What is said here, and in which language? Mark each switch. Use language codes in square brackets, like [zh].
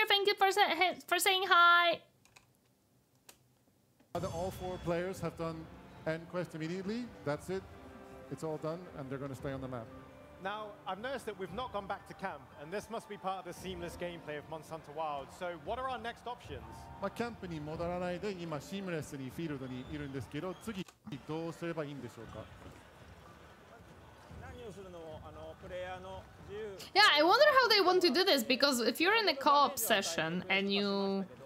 [en] Thank you for saying hi! Either all four players have done end quest immediately. That's it. It's all done, and they're going to stay on the map. Now, I've noticed that we've not gone back to camp, and this must be part of the seamless gameplay of Monster Hunter Wild. So, what are our next options? [ja] まあ、キャンプに戻らないで、今、シームレスにフィールドにいるんですけど、次、どうすればいいんでしょうか？何をするのも、あの、プレイヤーの自由。 [en] Yeah, I wonder how they want to do this, because if you're in a co-op session and you...